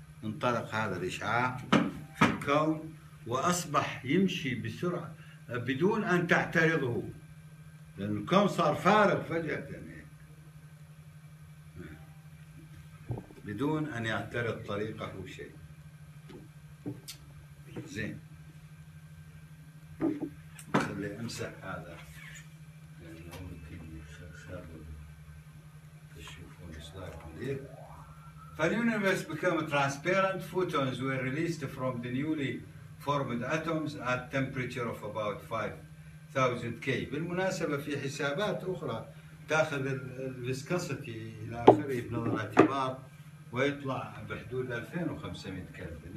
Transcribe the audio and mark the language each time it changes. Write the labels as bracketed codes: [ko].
[ar] انطلق هذا الإشعاع في الكون وأصبح يمشي بسرعة بدون أن تعترضه، لأن الكون صار فارغ فجأة بدون أن يعترض طريقه شيء. زين، خلي أمسح هذا لأنه ممكن يخرب تشوفون سلايد كبير. [en] The universe became transparent. Photons were released from the newly formed atoms at temperature of about 5000 K. [ar] بالمناسبة في حسابات أخرى تأخذ الفيسكوسيتي إلى آخره بنظر الاعتبار ويطلع بحدود 2500 كلفن.